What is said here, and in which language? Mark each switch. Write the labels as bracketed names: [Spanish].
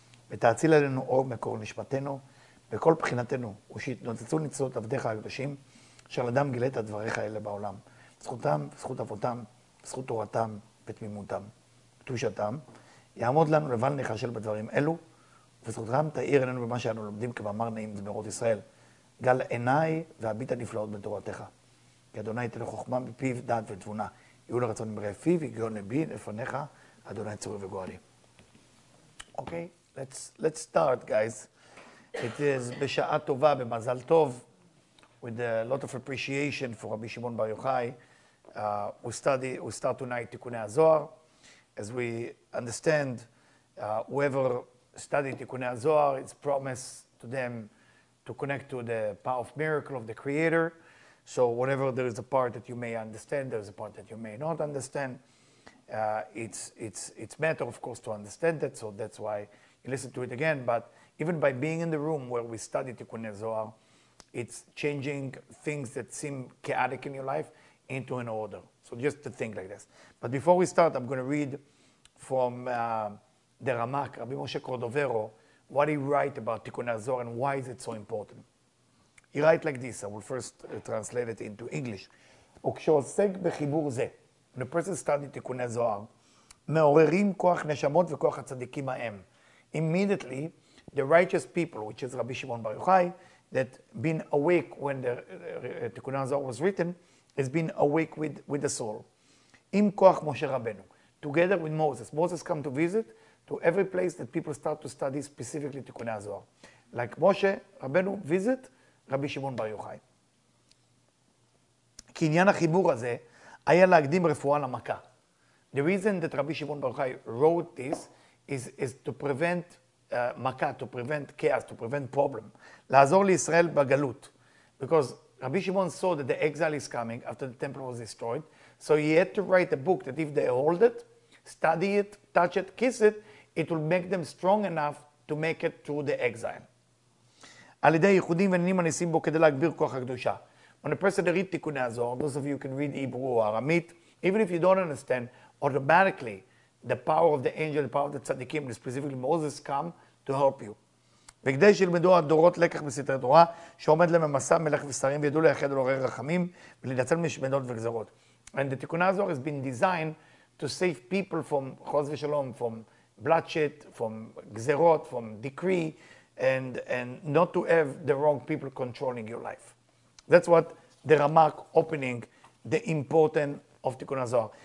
[Hebrew] ותאציל עלינו אור מקור נשמתנו, בכל בחינתנו, ושיתנוצצו ניצוצות עבדיך הקדושים, אשר אדם גילה את הדבריך האלה בעולם, זכותם, זכות אבותם, זכות תורתם ותמימותם, קדושתם, יעמוד לנו לבל נחשל בדברים אלו, וזכותם תאיר עלינו במה שאנו לומדים כמאמר נעים זמירות ישראל, גל עיניי והביט הנפלאות בתורתך. כי אדוני ייתן חוכמה מפיו דעת ותבונה, יהיו לרצון מראה פיו, יגיעו נבי לפניך, אדוני צורי וגואלי. [English] אוקיי, let's start, guys. It is [Hebrew] בשעה טובה, במזל טוב, [English] with a lot of appreciation for רבי שמעון בר יוחאי. We start tonight תיקוני הזוהר. As we understand, whoever studied תיקוני הזוהר, it's promised to them to connect to the power of miracle of the Creator. So whenever there is a part that you may understand, there is a part that you may not understand. It's matter, of course, to understand that. So that's why you listen to it again. But even by being in the room where we study Tikkuni Zohar, it's changing things that seem chaotic in your life into an order. So just to think like this. But before we start, I'm going to read from the Ramak, Rabbi Moshe Cordovero, what he write about Tikkuni Zohar and why is it so important. He write like this, I will first translate it into English. [Hebrew] וכשעוסק בחיבור זה, [English] when a person studied [Hebrew] תיקוני זוהר, מעוררים כוח נשמות וכוח הצדיקים ההם. [English] Immediately, the righteous people, which is Rabbi Shimon Bar Yochai, that been awake when the תיקוני זוהר was written, has been awake with the soul. [Hebrew] עם כוח משה רבנו, [English] together with Moses. Moses come to visit to every place that people start to study specifically תיקוני זוהר. Like משה רבנו visit, רבי שמעון בר יוחאי. [Hebrew] כי עניין החיבור הזה היה להקדים רפואה למכה. [English] The reason that רבי שמעון בר יוחאי wrote this is to prevent מכה, to prevent chaos, to prevent problem. [Hebrew] לעזור לישראל בגלות. [English] Because רבי שמעון saw that the exile is coming after the temple was destroyed. So he had to write a book that if they hold it, study it, touch it, kiss it, it will make them strong enough to make it through the exile. [Hebrew] על ידי ייחודים ועניינים הניסים בו כדי להגביר כוח הקדושה. [English] When a person read תיקוני הזוהר, those of you can read Hebrew or Aramaic, even if you don't understand, automatically the power of the angel, the power of the tzaddikim, specifically Moses, come to help you. [Hebrew] וכדי שילמדו הדורות לקח בסתרי תורה, שעומד להם במסע מלך ושרים, וידעו לייחד על עורר רחמים, ולנצל משמדות וגזרות. [English] And the תיקוני הזוהר has been designed to save people from [Hebrew] חוז ושלום, [English] from bloodshed, from גזרות, from decree, and not to have the wrong people controlling your life. That's what the Ramak opening, the important of Tikkuni Zohar.